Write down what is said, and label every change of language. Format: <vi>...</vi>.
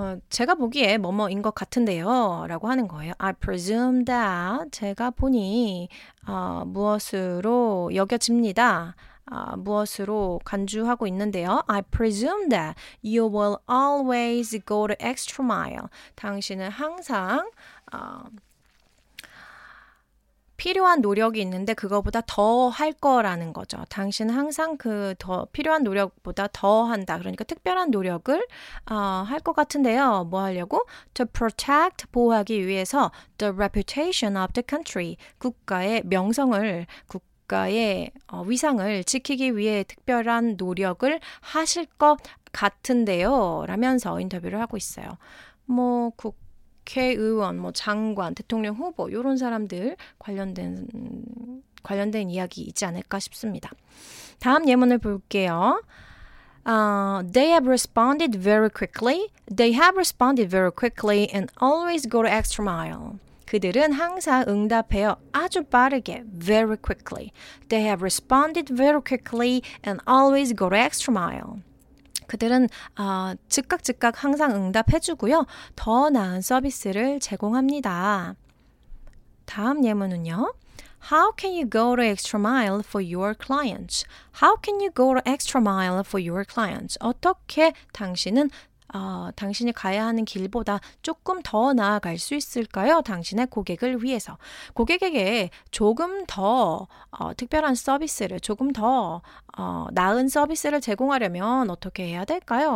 <ko>제가 보기에 뭐뭐인 것 같은데요. 라고 하는 거예요.</ko> <en>I presume that.</en> <ko>제가 보니 무엇으로 여겨집니다. 무엇으로 간주하고 있는데요.</ko> <en>I presume that you will always go the extra mile.</en> <ko>당신은 항상 필요한 노력이 있는데 그거보다 더 할 거라는 거죠. 당신은 항상 그 더 필요한 노력보다 더 한다. 그러니까 특별한 노력을 할 것 같은데요. 뭐 하려고?</ko> <en>To protect,</en> <ko>보호하기 위해서</ko> <en>the reputation of the country,</en> <ko>국가의 명성을, 국가의 위상을 지키기 위해 특별한 노력을 하실 것 같은데요. 라면서 인터뷰를 하고 있어요. 뭐 국회의원, 뭐 장관, 대통령 후보 이런 사람들 관련된 이야기 있지 않을까 싶습니다. 다음 예문을 볼게요.</ko> <en>They have responded very quickly. They have responded very quickly and always go the extra mile.</en> <ko>그들은 항상 응답해요. 아주 빠르게.</ko> <en>Very quickly. They have responded very quickly and always go the extra mile.</en> <ko>그들은 즉각 항상 응답해주고요. 더 나은 서비스를 제공합니다. 다음 예문은요.</ko> <en>How can you go the extra mile for your clients? How can you go the extra mile for your clients?</en> <ko>어떻게 당신은 당신이 가야 하는 길보다 조금 더 나아갈 수 있을까요? 당신의 고객을 위해서. 고객에게 조금 더 특별한 서비스를, 조금 더 나은 서비스를 제공하려면 어떻게 해야 될까요?</ko>